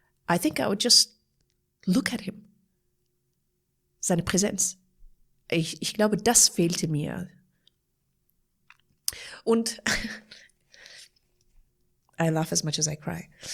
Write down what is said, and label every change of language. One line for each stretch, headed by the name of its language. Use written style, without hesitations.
English: I think I would just look at him.
German: Seine Präsenz. Ich glaube, das fehlte mir.
English: Und I laugh as much as I cry.